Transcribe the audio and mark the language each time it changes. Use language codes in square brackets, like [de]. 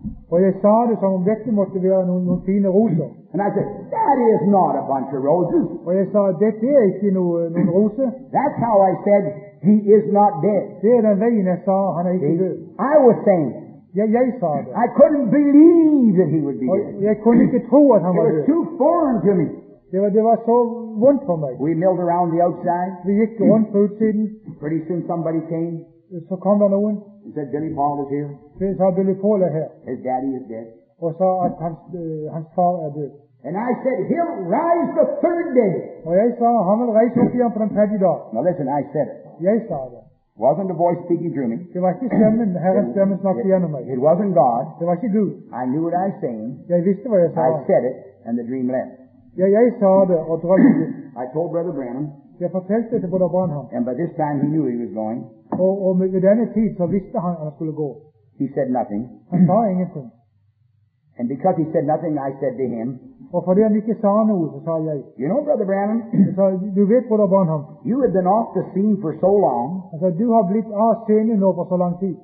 [en] And I said, that is not a bunch of roses. [no] Og jeg sa, dette ikke noen rose. [en] That's how I said, he is not dead. [no] Det den veien jeg sa, han ikke død. [en] I was saying it. [no] Jeg sa det. [en] I couldn't believe that he would be dead. [no] Jeg kunne ikke tro at han var død. [en] It was too foreign to me. [no] Det var så vondt for meg. [en] We milled around the outside. [no] Vi gikk rundt på utsiden. [en] Pretty soon somebody came. [no] Så kom der noen. [en] He said, Billy Paul is here. [no] Så sa Billy Paul her. [en] His daddy is dead. [no] Og sa at hans far død. [en] And I said, he'll rise the third day. [no] Og jeg sa, han vil reise opp igjen på den tredje dag. [en] Now listen, I said it. [no] Jeg sa det. [en] Wasn't a voice speaking through me. [no] Det var ikke stemmen, Herrens stemme snakket gjennom meg. [en] It wasn't God. [no] Det var ikke Gud. [en] I knew what I was saying. [no] Jeg visste hva jeg sa. [en] I said it, and the dream left. [no] Jeg sa det, og drømmen ditt. [en] I told Brother Branham. [no] Jeg fortalte det til Brother Branham. [en] And by this time he knew he was going. [no] Og med denne tid så visste han at han skulle gå. [en] He said nothing. [no] Han sa ingenting. [en] And because he said nothing, I said to him. [no] Og fordi han ikke sa noe, så sa jeg. [en] You know, Brother Branham. [no] Så du vet, Brother Branham. [en] You have been off the scene for so long. [no] Han sa, du har blitt av scenen nå for så lang tid.